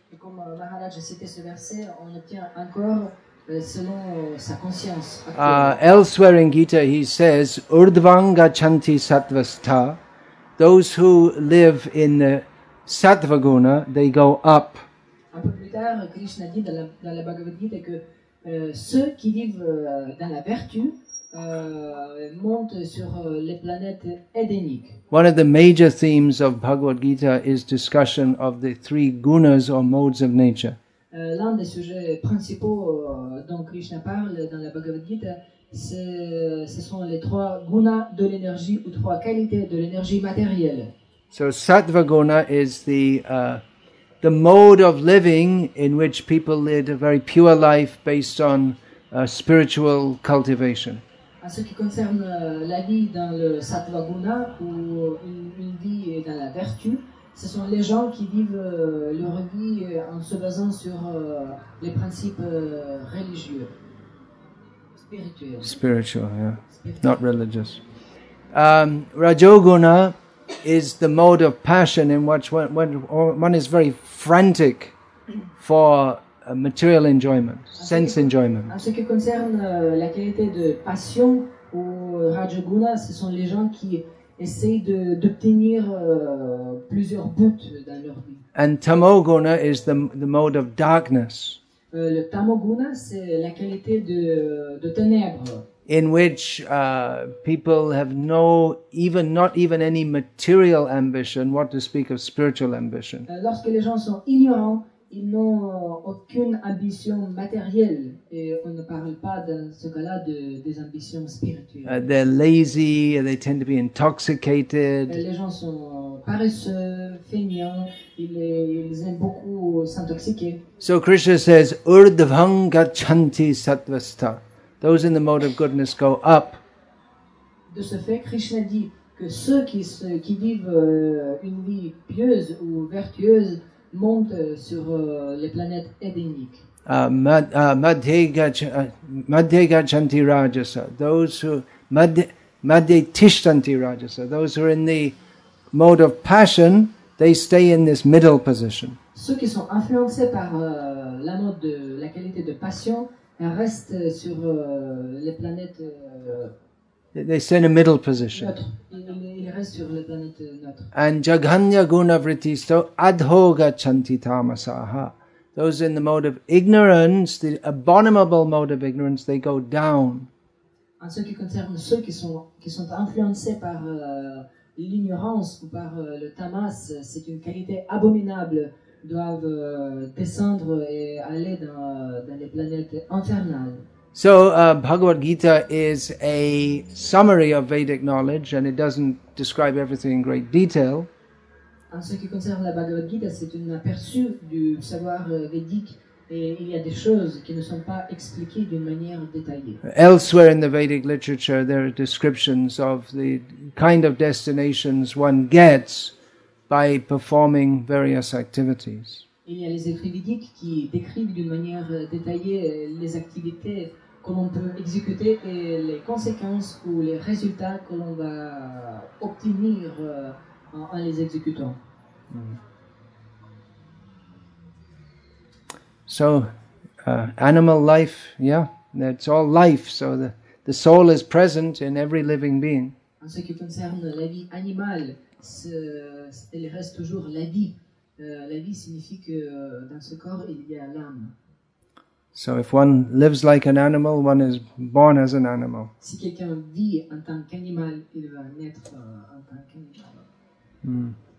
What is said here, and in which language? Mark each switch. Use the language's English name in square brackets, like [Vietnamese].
[French] Et comme Maharaj a cité ce verset, on obtient un corps selon sa conscience. [English] Elsewhere in Gita, he says, [Sanskrit] urdvanga chanti sattvastha. [English] Those who live in the sattva guna, they go up. [French] Un peu plus tard, Krishna dit dans la Bhagavad Gita que ceux qui vivent dans la vertu montent sur les planètes édéniques. [English] One of the major themes of Bhagavad Gita is discussion of the three gunas or modes of nature. [French] L'un des sujets principaux dont Krishna parle dans la Bhagavad Gita, ce sont les trois gunas de l'énergie ou trois qualités de l'énergie matérielle. [English] So sattva guna is the mode of living in which people lead a very pure life based on spiritual cultivation. [French] En ce qui concerne la vie dans le sattva guna ou une vie dans la vertu, ce sont les gens qui vivent leur vie en se basant sur les principes religieux. [English] Spiritual, not religious. Rajoguna is the mode of passion in which one is very frantic for material enjoyment, sense enjoyment. [French] En ce qui concerne la qualité de passion ou rajoguna, ce sont les gens qui essayent d'obtenir plusieurs buts dans leur vie. [English] And tamoguna is the mode of darkness. [French] Le tamoguna, c'est la qualité de ténèbres. [English] In which people have no, even not even any material ambition, what to speak of spiritual ambition. [French] Lorsque les gens sont ignorants, ils n'ont aucune ambition matérielle. Et on ne parle pas dans ce cas-là des ambitions spirituelles. [English] They're lazy, they tend to be intoxicated. [French] Les gens sont paresseux, feignants, ils aiment beaucoup s'intoxiquer. [English] So Krishna says, [Sanskrit] urdhvam gacchanti sattvastha. [English] Those in the mode of goodness go up. [French] De ce fait, Krishna dit que ceux qui vivent une vie pieuse ou vertueuse montent sur les planètes édéniques. [Sanskrit] Madhyegachanti rajasa. Madhyetishtanti rajasa. [English] Those who are in the mode of passion, they stay in this middle position. [French] Ceux qui sont influencés par la mode de la qualité de passion reste sur les planètes [English] They stay in a middle position. [French] Il reste sur les planètes neutres. [Sanskrit] And jaganya guna vritti sto adhoga chanti tamasaha. [English] Those in the mode of ignorance, the abominable mode of ignorance, they go down. [French] En ce qui concerne ceux qui sont influencés par l'ignorance ou par le tamas, c'est une qualité abominable. Doivent descendre et aller dans les planètes infernales. [English] So, Bhagavad Gita is a summary of Vedic knowledge, and it doesn't describe everything in great detail. [French] En ce qui concerne la Bhagavad Gita, c'est un aperçu du savoir védique, et il y a des choses qui ne sont pas expliquées d'une manière détaillée. [English] Elsewhere in the Vedic literature, there are descriptions of the kind of destinations one gets by performing various activities. [French] Il y a les écrits védiques qui décrivent d'une manière détaillée les activités que l'on peut exécuter et les conséquences ou les résultats que l'on va obtenir en les exécutant. [English] So, animal life, yeah, it's all life. So the soul is present in every living being. [French] En ce qui concerne la vie animale, elle reste toujours la vie. La vie signifie que dans ce corps il y a l'âme. [English] So if one lives like an animal, one is born as an animal. [French] Si quelqu'un vit en tant qu'animal, il va naître en tant qu'animal.